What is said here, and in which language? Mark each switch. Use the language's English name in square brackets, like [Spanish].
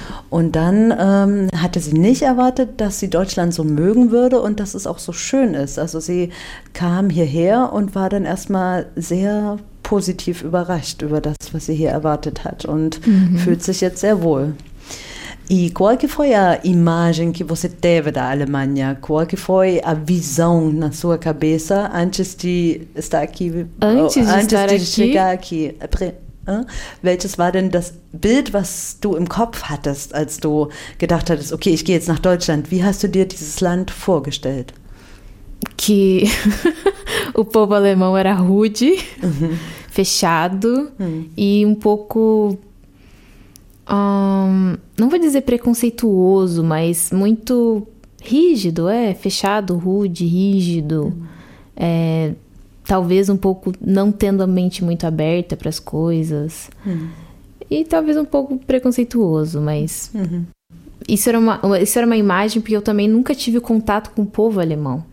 [German] Und dann hatte sie nicht erwartet, dass sie Deutschland so mögen würde und dass es auch so schön ist. Also sie kam hierher und war dann erstmal sehr positiv überrascht über das, was sie hier erwartet hat und fühlt sich jetzt sehr wohl. [Portuguese] E qual que foi a imagem que você teve da Alemanha? Qual que foi a visão na sua cabeça antes de estar aqui? Antes de chegar aqui. [German] Welches war denn das Bild, was du im Kopf hattest, als du gedacht hattest, okay, ich gehe jetzt nach Deutschland. Wie hast du dir dieses Land vorgestellt? [Portuguese] Que o povo alemão era rude, fechado e pouco, não vou dizer preconceituoso, mas muito rígido, fechado, rude, rígido, talvez pouco não tendo a mente muito aberta para as coisas e talvez pouco preconceituoso, mas isso era uma imagem porque eu também nunca tive contato com o povo alemão.